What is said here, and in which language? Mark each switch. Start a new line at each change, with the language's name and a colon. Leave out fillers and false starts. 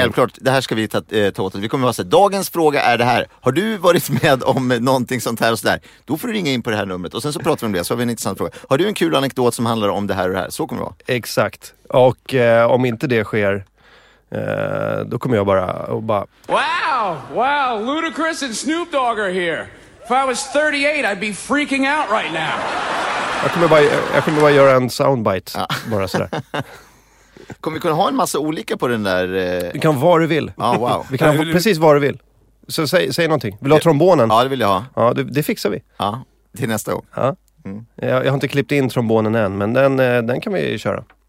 Swedish: Självklart, det här ska vi ta åt oss. Vi kommer att säga, dagens fråga är det här. Har du varit med om någonting sånt här och sådär? Då får du ringa in på det här numret. Och sen så pratar vi om det, så har vi en intressant fråga. Har du en kul anekdot som handlar om det här och det här? Så kommer det vara. Exakt. Och om inte det sker, då kommer jag bara och bara...
English: Wow, Ludacris and Snoop Dogg are here. If I was 38, I'd be freaking out right now.
Swedish: Jag kommer bara göra en soundbite, ja. Bara sådär. Kommer vi kunna ha en massa olika på den där? Vi kan vara du vill. Ja, wow. Vi kan ha precis vad du vill. Så säg någonting. Vill du ha trombonen? Ja, det vill jag ha. Ja, det fixar vi. Ja, till nästa gång. Ja. Mm. Jag har inte klippt in trombonen än, men den kan vi köra.